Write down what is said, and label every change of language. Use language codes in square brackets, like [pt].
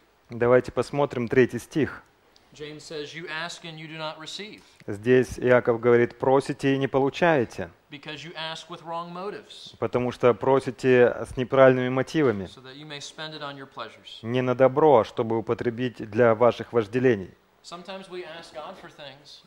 [ru] Давайте посмотрим третий стих. [en] James says, you ask and you do not receive. [ru] Здесь Иаков говорит, просите и не получаете. [en] Because you ask with wrong motives. [ru] Потому что просите с неправильными мотивами. [en] So that you may spend it on your pleasures. [ru] Не на добро, а чтобы употребить для ваших вожделений. [en] Sometimes we ask God for things,